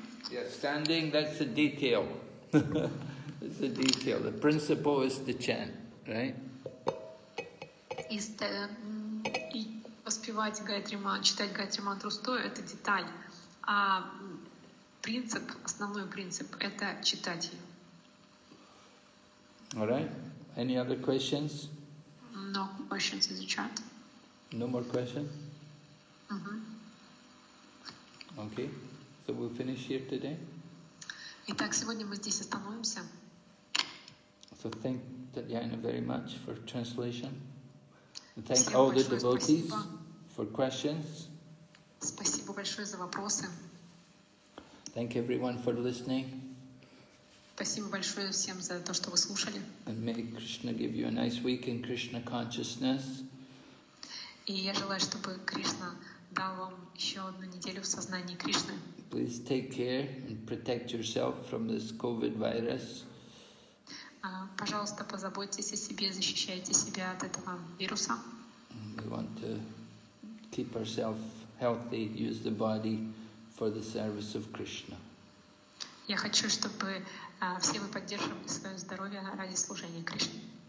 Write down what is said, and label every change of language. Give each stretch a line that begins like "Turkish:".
English: Yeah, standing, that's a detail. It's a detail. The principle is the chant, right?
Russian: и воспевать Гаятри мантру, читать Гаятри мантру стоя — это деталь. А принцип, основной принцип — это читать ее.
English: All right. Any other questions? No questions in the chat. No more questions? Mm-hmm. Okay. So we'll finish here today.
Russian: Итак, сегодня мы здесь остановимся.
English: So thank Татьяна very much for translation. And thank all the devotees for questions.
Russian: Спасибо большое за вопросы.
English: Thank everyone for listening.
Russian: Спасибо большое всем за то, что вы слушали.
English: And may Krishna give you a nice week in Krishna consciousness.
Russian: И я желаю, чтобы Кришна дал вам еще одну неделю в сознании Кришны.
English: Please take care and protect yourself from this COVID virus.
Russian: Пожалуйста, позаботьтесь о себе, защищайте себя от этого вируса.
English: We want to keep ourselves healthy, use the body for the service of Krishna.
Russian: Я хочу, чтобы все мы поддерживали свое здоровье ради служения Кришне.